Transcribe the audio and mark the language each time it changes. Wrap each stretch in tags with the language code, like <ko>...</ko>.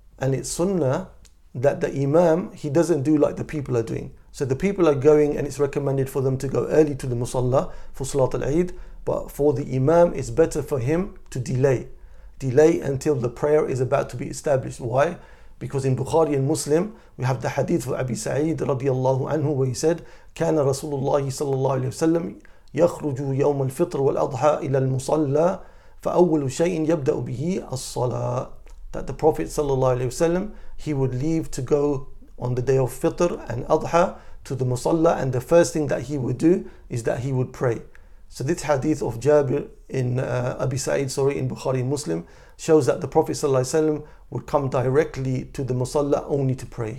<en>And it's sunnah that the Imam, he doesn't do like the people are doing. So the people are going and it's recommended for them to go early to the Musalla for Salat al-Eid, but for the Imam, it's better for him to delay. Delay until the prayer is about to be established. Why? Because in Bukhari and Muslim, we have the hadith of Abi Sa'id radiallahu anhu, where he said,</en> <ar>كان رسول الله صلى الله عليه وسلم يخرج يوم الفطر والأضحى إلى المصلى فأول شيء يبدأ به الصلاة.</ar> <en>That the Prophet صلى الله عليه وسلم, he would leave to go on the day of Fitr and Adha to the Musalla, and the first thing that he would do is that he would pray. So this hadith of Jabir in Abi Sa'id in Bukhari and Muslim shows that the Prophet ﷺ would come directly to the Musalla only to pray.</en>